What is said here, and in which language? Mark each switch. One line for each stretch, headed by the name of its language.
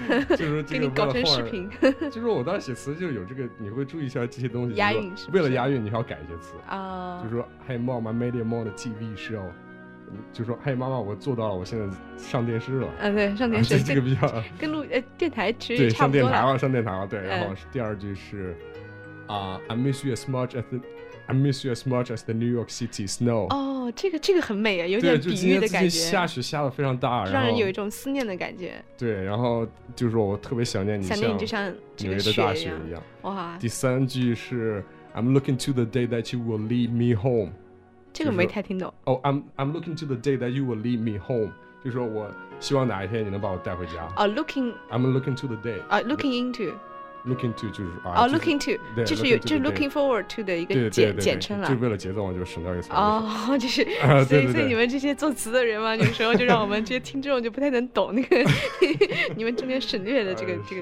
Chinese: 就是给你搞成视频。就是我当时写词就有这个，你会注意一下这些东西。押韵是不是？为了押韵，你还要改一些词啊。就是说
English: ，Hey mom， I made him on a TV show。
Chinese: 就说嘿妈妈我做到了，我现在上电视了。对，上电视、这个比较跟电台其实差不多了。对，上电台了。对，然后第二句是
English: I miss you as much as the New York City snow。
Chinese: 哦，这个很美啊，有点比喻的感觉。对，就今天下雪下得非常大，让人有一种思念的感觉。对，然后就是说我特别想念你，想念你就像纽约的大雪一样。哇，第三句是
English: I'm looking to the day that you will lead me home。
Chinese: 这个没太听懂。就是、
English: I'm looking to the day that you will lead me home。
Chinese: 就是说我希望哪一天你能把我带回家。
English: I'm looking to the day。 Looking into。 Looking to
Chinese: 就是
English: Looking to
Chinese: 就是有就是
English: looking forward to
Chinese: 的一个简称了。就为了节奏我就省掉一个词。哦，就是所以你们这些作词的人嘛，有时候就让我们这些听众就不太能懂那个你们这边省略的这个